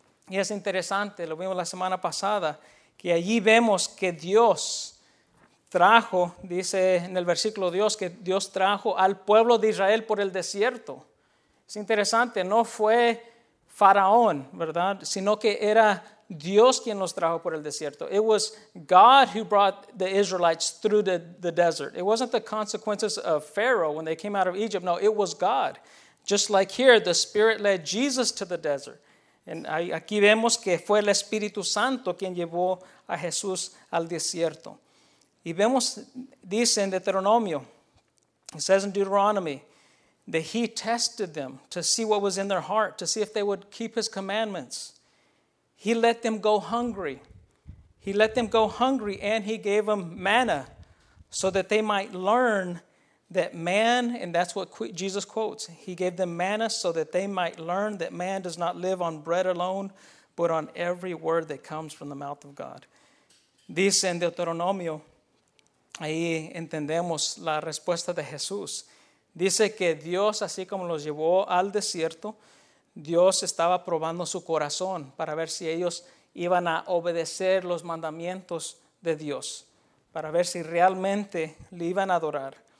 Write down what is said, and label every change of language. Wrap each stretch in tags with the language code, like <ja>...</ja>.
<es>Y es interesante, lo vimos la semana pasada, que allí vemos que Dios trajo, dice en el versículo Dios, que Dios trajo al pueblo de Israel por el desierto. Es interesante, no fue Faraón, ¿verdad?, sino que era Dios quien los trajo por el desierto.</es> <en>It was God who brought the Israelites through the desert. It wasn't the consequences of Pharaoh when they came out of Egypt. No, it was God.</en> <es>Just like here, the Spirit led Jesus to the desert. And aquí vemos que fue el Espíritu Santo quien llevó a Jesús al desierto.</es> <en>Y vemos, dice en Deuteronomio, it says in Deuteronomy, that he tested them to see what was in their heart, to see if they would keep his commandments. He let them go hungry. He let them go hungry and he gave them manna so that they might learn that man, and that's what Jesus quotes, he gave them manna so that they might learn that man does not live on bread alone, but on every word that comes from the mouth of God.</en> <es>Dice en Deuteronomio, ahí entendemos la respuesta de Jesús. Dice que Dios, así como los llevó al desierto, Dios estaba probando su corazón para ver si ellos iban a obedecer los mandamientos de Dios, para ver si realmente le iban a adorar.</es>